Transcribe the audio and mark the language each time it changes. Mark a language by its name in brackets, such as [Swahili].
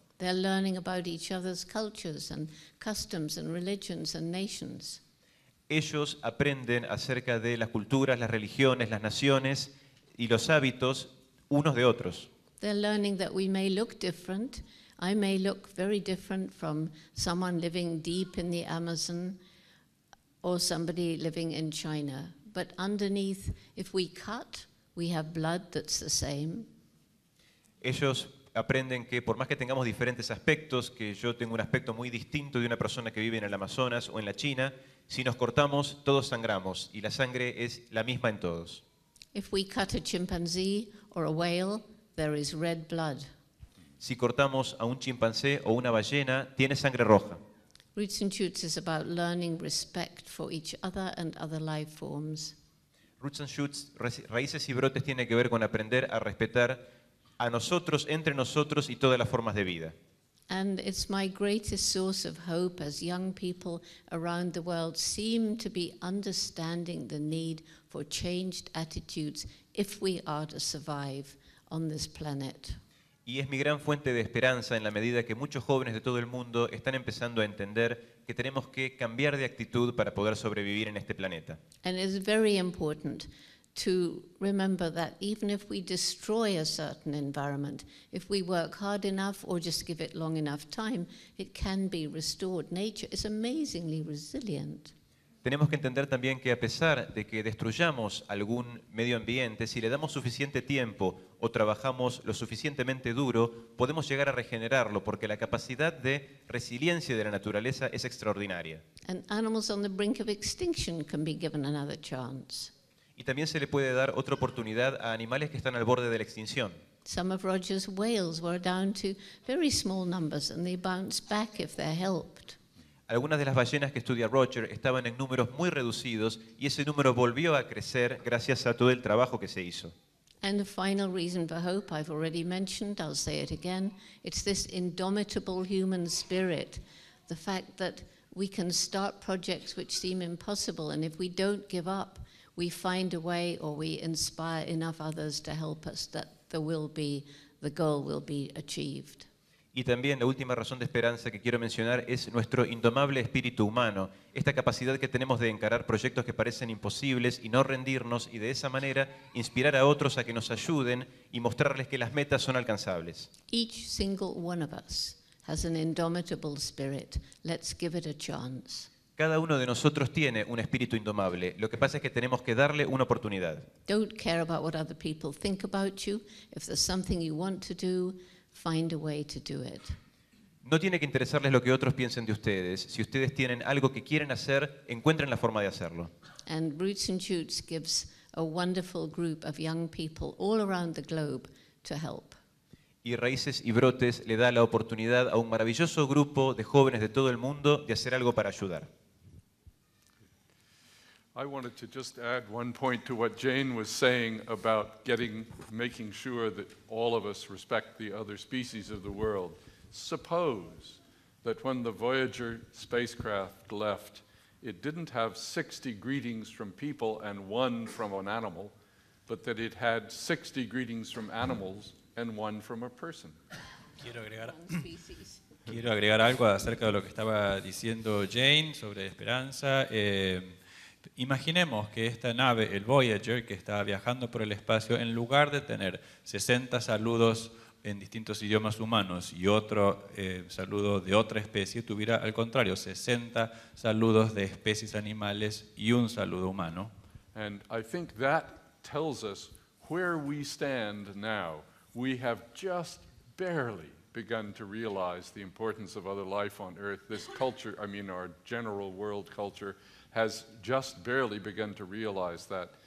[English] They're learning about each other's cultures and customs and religions and nations. [Spanish] Ellos aprenden acerca de las culturas, las religiones, las naciones y los hábitos unos de otros. [English] They're learning that we may look different. I may look very different from someone living deep in the Amazon or somebody living in China. But underneath, if we cut, we have blood that's the same. [Spanish] Ellos aprenden que por más que tengamos diferentes aspectos, que yo tengo un aspecto muy distinto de una persona que vive en el Amazonas o en la China, si nos cortamos, todos sangramos y la sangre es la misma en todos. [English] If we cut a chimpanzee or a whale, there is red blood. [Spanish] Si cortamos a un chimpancé o una ballena, tiene sangre roja. [English] Roots and Shoots is about learning respect for each other and other life forms. [Spanish] Roots and Shoots, Raíces y Brotes, tiene que ver con aprender a respetar a nosotros, entre nosotros y todas las formas de vida. [English] And it's my greatest source of hope as young people around the world seem to be understanding the need for changed attitudes if we are to survive on this planet. [Spanish] Y es mi gran fuente de esperanza en la medida que muchos jóvenes de todo el mundo están empezando a entender que tenemos que cambiar de actitud para poder sobrevivir en este planeta. [English] And it's very important to remember that even if we destroy a certain environment, if we work hard enough or just give it long enough time, it can be restored. Nature is amazingly resilient. [Spanish] Tenemos que entender también que a pesar de que destruyamos algún medio ambiente, si le damos suficiente tiempo o trabajamos lo suficientemente duro, podemos llegar a regenerarlo porque la capacidad de resiliencia de la naturaleza es extraordinaria. [English] And animals on the brink of extinction can be given another chance. [Spanish] Y también se le puede dar otra oportunidad a animales que están al borde de la extinción. [English] Some of Roger's whales were down to very small numbers and they bounce back if they're helped. [Spanish] Algunas de las ballenas que estudia Roger estaban en números muy reducidos y ese número volvió a crecer gracias a todo el trabajo que se hizo. [English] And the final reason for hope I've already mentioned, I'll say it again, it's this indomitable human spirit. The fact that we can start projects which seem impossible and if we don't give up, we find a way or we inspire enough others to help us that the goal will be achieved. [Spanish] Y también la última razón de esperanza que quiero mencionar es nuestro indomable espíritu humano, esta capacidad que tenemos de encarar proyectos que parecen imposibles y no rendirnos y de esa manera inspirar a otros a que nos ayuden y mostrarles que las metas son alcanzables. [English] Each single one of us has an indomitable spirit. Let's give it a chance. [Spanish] Cada uno de nosotros tiene un espíritu indomable. Lo que pasa es que tenemos que darle una oportunidad. [English] Don't care about what other people think about you. If there's something you want to do, find a way to do it. [Spanish] No tiene que interesarles lo que otros piensen de ustedes. Si ustedes tienen algo que quieren hacer, encuentren la forma de hacerlo. [English] And Roots and Shoots gives a wonderful group of young people all around the globe to help. [Spanish] Y Raíces y Brotes le da la oportunidad a un maravilloso grupo de jóvenes de todo el mundo de hacer algo para ayudar. [English] I wanted to just add one point to what Jane was saying about making sure that all of us respect the other species of the world. Suppose that when the Voyager spacecraft left, it didn't have 60 greetings from people and one from an animal, but that it had 60 greetings from animals and one from a person. [Spanish] Quiero agregar algo acerca de lo que estaba diciendo Jane sobre esperanza. Imaginemos que esta nave, el Voyager, que está viajando por el espacio, en lugar de tener 60 saludos en distintos idiomas humanos y otro saludo de otra especie, tuviera al contrario 60 saludos de especies animales y un saludo humano. [English] And I think that tells us where we stand now. We have just barely begun to realize the importance of other life on Earth. This culture, I mean, our general world culture, has just barely begun to realize that.